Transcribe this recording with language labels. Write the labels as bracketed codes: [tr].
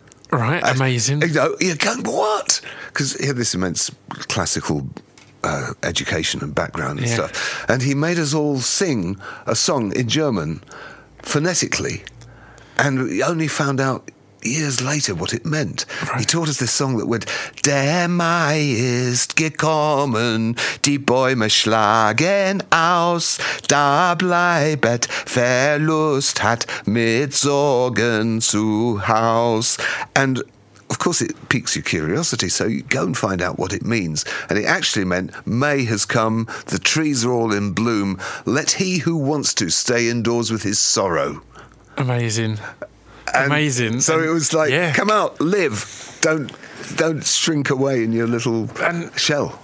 [en] Right, amazing. You know, you're going, what? Because he had this immense classical education and background and stuff. And he made us all sing a song in German phonetically. And we only found out years later what it meant. Right. He taught us this song that went, [de] Der Mai ist gekommen, die Bäume schlagen aus, da bleibet, Verlust hat mit Sorgen zu Haus. [en] And of course it piques your curiosity, so you go and find out what it means. And it actually meant, May has come, the trees are all in bloom, let he who wants to stay indoors with his sorrow. Amazing. And amazing. So it was like, come out, live, don't shrink away in your little shell.